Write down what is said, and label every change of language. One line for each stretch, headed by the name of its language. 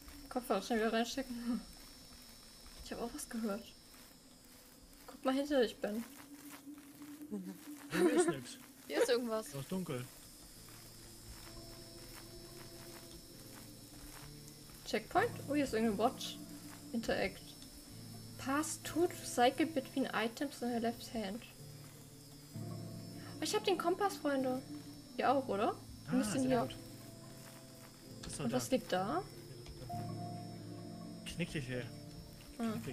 German: Kopf auch schnell wieder reinstecken. Ich hab auch was gehört. Guck mal hinter dich, Ben. Hier ist nichts. Hier ist irgendwas. Noch dunkel. Checkpoint? Oh, hier ist irgendeine Watch.
English: Interact. Pass to cycle between items in your left hand.
German: Oh, ich hab den Kompass, Freunde. Ihr auch, oder? Wir müssen hier. Gut. Was soll und da? Was liegt da? Knick dich hier. Ah.